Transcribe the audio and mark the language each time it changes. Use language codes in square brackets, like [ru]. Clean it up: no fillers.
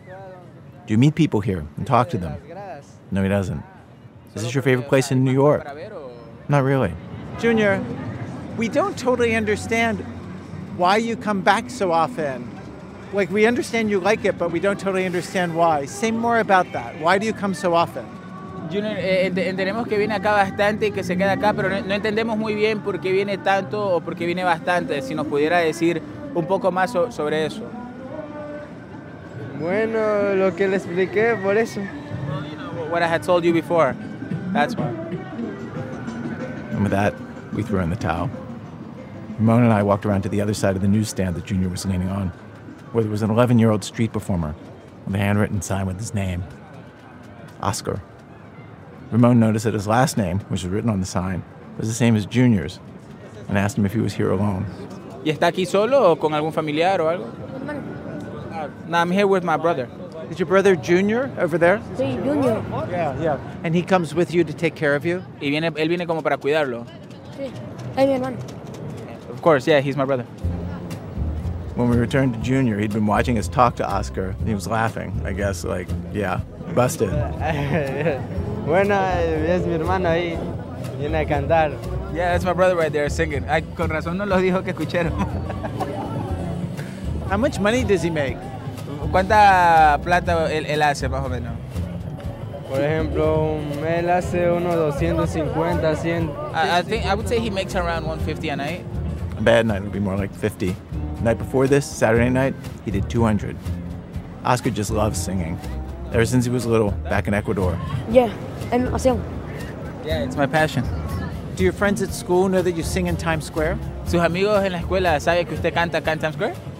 [en] Do you meet people here and talk to them? No, he doesn't. Is this your favorite place in New York? Not really. Junior, we don't totally understand why you come back so often. Like, we understand you like it, but we don't totally understand why. Say more about that. Why do you come so often? [es] Junior, entendemos que viene acá bastante y que se queda acá, pero no entendemos muy bien por qué viene tanto o por qué viene bastante. Si nos pudiera decir un poco más sobre eso. Bueno, lo que le expliqué por eso. [en] What I had told you before. That's why. And with that, we threw in the towel. Ramon and I walked around to the other side of the newsstand that Junior was leaning on, where there was an 11-year-old street performer with a handwritten sign with his name, Oscar. Ramon noticed that his last name, which was written on the sign, was the same as Junior's, and asked him if he was here alone. [es] ¿Y está aquí solo o con algún familiar o algo? [en] No, I'm here with my brother. Is your brother Junior over there? [es] Sí, Junior. [en] Yeah. And he comes with you to take care of you? [es] Y viene, él viene como para cuidarlo. Sí, es mi hermano. [en] Of course, yeah, he's my brother. When we returned to Junior, he'd been watching us talk to Oscar. He was laughing, I guess, like, yeah, busted. [es] Bueno, es mi hermano ahí. Viene a cantar. [en] Yeah, that's my brother right there singing. [es] Ay, con razón no lo dijo que escucharon. [en] How much money does he make? [es] ¿Cuánta plata él hace, más o menos? Por ejemplo, él hace unos 250, 100. [en] I would say he makes around 150 a night. A bad night would be more like 50. Night before this, Saturday night, he did 200. Oscar just loves singing. Ever since he was little, back in Ecuador. Yeah, and I sing. Yeah, it's my passion. Do your friends at school know that you sing in Times Square? [es] ¿Sus amigos en la escuela saben que usted canta acá en Times Square?